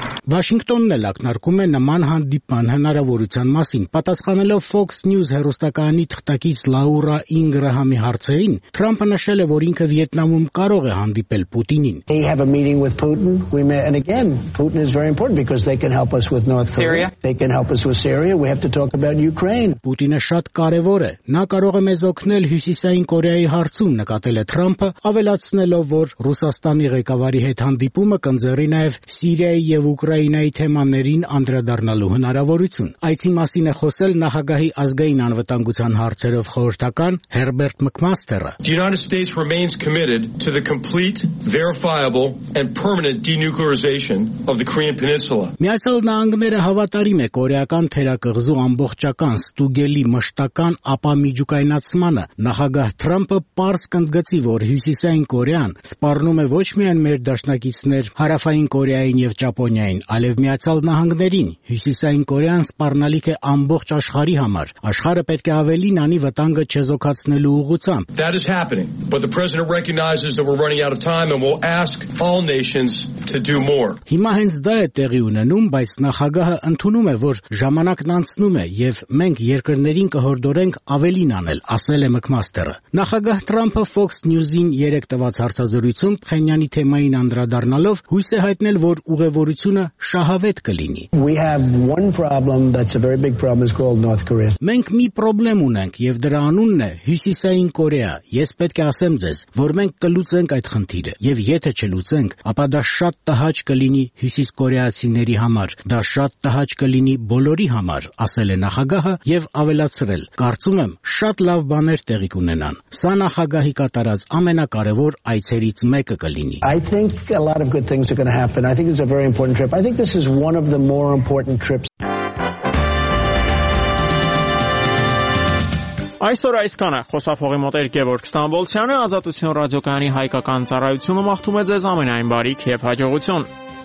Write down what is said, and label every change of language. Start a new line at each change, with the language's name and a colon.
Armenian: Վաշինգտոնն էլ ակնարկում է նման հանդիպման հնարավորության մասին։ Պատասխանելով Fox News հեռուստակայանի թղթակից Լաուրա Ինգրահամի հարցերին, Թրամփը նշել է, որ ինքը Վիետնամում կարող է հանդիպել Պուտինին։
English: They have a meeting with Putin. We may, and again, Putin is very important because they can help us with North Korea. They can help us with Syria. We have to talk about Ukraine.
Armenian: Պուտինը շատ կարևոր է։ Նա կարող է մեզ օգնել Հյուսիսային Կորեայի հարցում, նկատել է Թրամփը, ավելացնելով, որ Ռուսաստանի ղեկավարի հետ հանդիպումը կընձեռի նաև Սիրիայի և Ուկրաինայի թեմաներին անդրադառնալու հնարավորություն։ Այս մասին է խոսել նախագահի ազգային անվտանգության հարցերով խորհրդական Հերբերտ Մակմաստերը։
English: The United States remains committed to the complete, verifiable and permanent denuclearization of the Korean Peninsula.
Armenian: Միացյալ Նահանգները հավատարիմ է կորեական թերակղզու ամբողջական ստուգելի մշտական ապամիջուկայնացմանը։ Նախագահ Թրամփը պարզ կընդգծի, որ Հյուսիսային Կորեան սպառնում է ոչ միայն մեր դաշնակիցներ Հարավային Կորեային և Ճապոնիային, այլև Միացյալ Նահանգներին։ Հյուսիսային Կորեան սպառնալիք է ամբողջ աշխարհի համար։ Աշխարհը պետք է ավելին անի վտանգը չեզոքացնելու ուղղությամբ։
English: That is happening, but the president recognizes that we're running out of time and will ask all nations to do more.
Armenian: Հիմա հենց դա է տեղի ունենում, բայց նախագահը ընդունում է, որ ժամանակն անցնում է եւ մենք երկրներին կհորդորենք ավելին անել, ասել է Մակմաստերը։ Նախագահ Թրամփը Fox News-ին 3 տված հարցազրույցում Փենյանի թեմային անդրադառնալով հույս է հայտնել, որ ուղևորությունը շահավետ կլինի։
English: We have one problem that's a very big problem is called North Korea.
Armenian: Մենք մի պրոբլեմ ունենք եւ դրա անունն է Հյուսիսային Կորեա։ Ես պետք է ասեմ ձեզ, որ մենք կլուծենք այդ խնդիրը եւ եթե չլուծենք, ապա դա շատ տհաճ կլինի Հյուսիս Կորեացիների համար, դա շատ տհաճ կլինի բոլորի համար, ասել է նախագահը եւ ավելացրել. Կարծում եմ, շատ լավ բաներ տեղի կունենան։ Սա նախագահի կատարած ամենակարևոր այցերից մեկը կլինի։
English: I think a lot of good things are going to happen. I think it's a very important trip. I think this is one of the more important trips.
Armenian: Այսօր այսքանը, խոսափողի մոտ էր Գևորգ Ստամբոլցյանը, Ազատություն ռադիոկայանի հայկական ծառայությունը մաղթում է ձեզ ամենայն բարիք և հաջողություն։